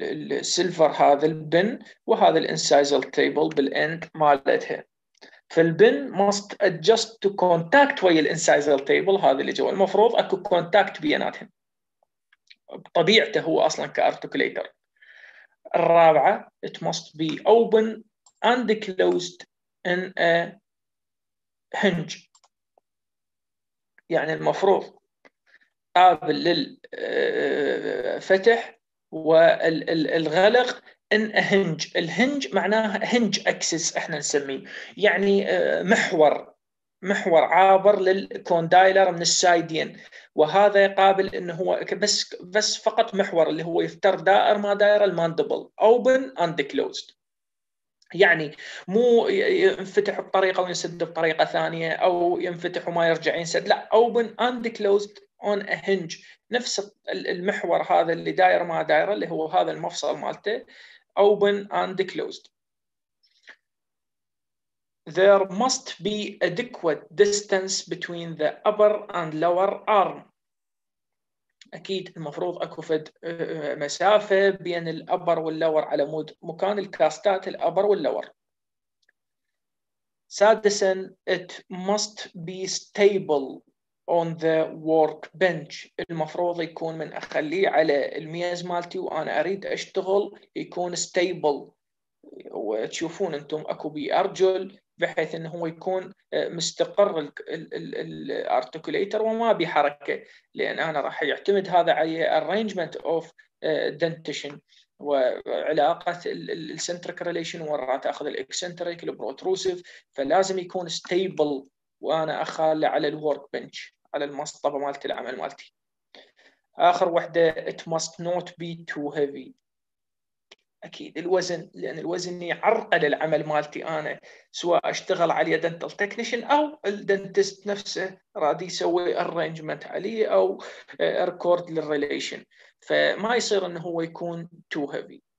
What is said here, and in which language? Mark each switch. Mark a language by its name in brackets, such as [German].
[Arabic] السيلفر هذا البن وهذا الانسايزل تيبل بالاند مالتها. فالبن [English] must adjust to contact [Arabic] ويا الانسايزل تيبل، هذا اللي جوا المفروض اكو كونتاكت بيناتهم بطبيعته هو اصلا كارتكوليتر. الرابعه [English] it must be open and closed in a hinge. [Arabic] يعني المفروض قابل للفتح والغلق [English] ان هنج. [Arabic] الهنج معناه هنج اكسس احنا نسميه، يعني محور، محور عابر للكوندايلر من السايدين، وهذا قابل انه هو بس فقط محور اللي هو يفتر دائر ما دائر الماندبل [English] open and closed, [Arabic] يعني مو ينفتح بطريقه وينسد بطريقه ثانيه او ينفتح وما يرجع ينسد، لا [English] open and closed on a hinge, [Arabic] نفس المحور هذا اللي داير ما داير اللي هو هذا المفصل مالته اوبن اند كلوزد. [English] There must be adequate distance between the upper and lower arm. [Arabic] أكيد المفروض أكو فد مسافة بين الأبر واللور على مود مكان الكاستات الأبر واللور. سادساً [English] it must be stable on the workbench. [Arabic] المفروض يكون من أخليه على الميز مالتي وأنا أريد أشتغل يكون stable. وتشوفون أنتم أكو بي أرجل بحيث أنه يكون مستقر الارتكوليتر وما بحركة، لأن أنا راح يعتمد هذا على [English] arrangement of dentition [Arabic] وعلاقة الcentric relation وراء تأخذ الإكسنتريك البروتروسيف، فلازم يكون stable وأنا أخال على الworkbench على المصطبة مالتي العمل مالتي. آخر واحدة [English] it must not be too heavy. [Arabic] أكيد الوزن، لأن الوزن يعرقل العمل مالتي أنا سواء أشتغل على دنتال تكنيشن أو الدنتست نفسه راد يسوي أرنجمنت عليه أو ريكورد للريليشن، فما يصير أنه هو يكون [English] Too heavy.